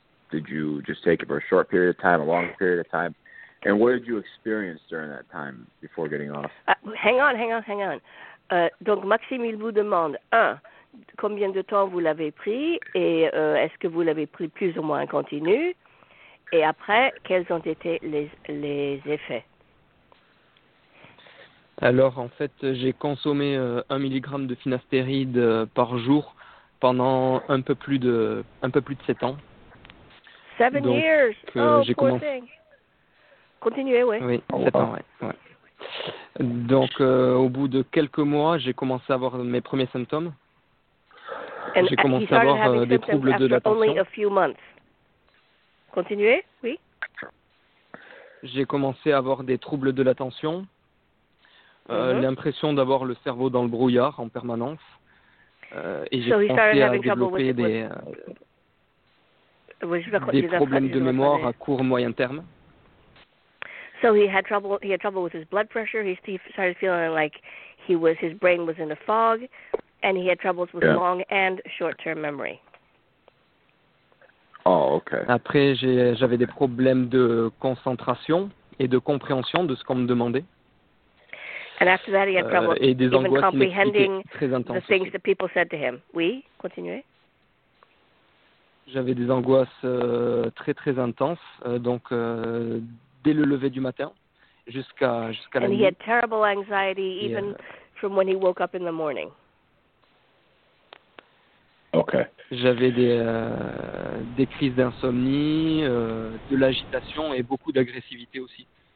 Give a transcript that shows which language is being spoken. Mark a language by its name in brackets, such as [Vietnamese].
[English] Did you just take it for a short period of time, a long period of time? And what did you experience during that time before getting off? Hang on. [French] Donc, Maxime, il vous demande, combien de temps vous l'avez pris et est-ce que vous l'avez pris plus ou moins en continu? Et après, quels ont été les effets? Alors, en fait, j'ai consommé 1 mg de finastéride par jour pendant un peu plus de 7 ans. [English] 7 years! Oh, poor commencé... thing! [French] Continuez, oui. Oui, 7 ans, oui. Ouais. Donc, au bout de quelques mois, j'ai commencé à avoir mes premiers symptômes. [English] And [French] j'ai commencé à avoir des troubles de l'attention. Continuez, oui. J'ai commencé à avoir des troubles de l'attention, l'impression d'avoir le cerveau dans le brouillard en permanence, et j'ai commencé à développer des problèmes de mémoire à court moyen terme. [English] So he had trouble with his blood pressure. He started feeling like his brain was in a fog. And he had troubles with long and short-term memory. Oh, okay. [French] Après, j'avais des problèmes de concentration et de compréhension de ce qu'on me demandait. [English] And after that, he had trouble even comprehending the things that people said to him. [French] Oui, continuez. J'avais des angoisses très très intenses, donc dès le lever du matin jusqu'à la nuit. [English] And he had terrible anxiety even from when he woke up in the morning. Okay. [French] J'avais des crises d'insomnie, de l'agitation et beaucoup d'agressivité aussi.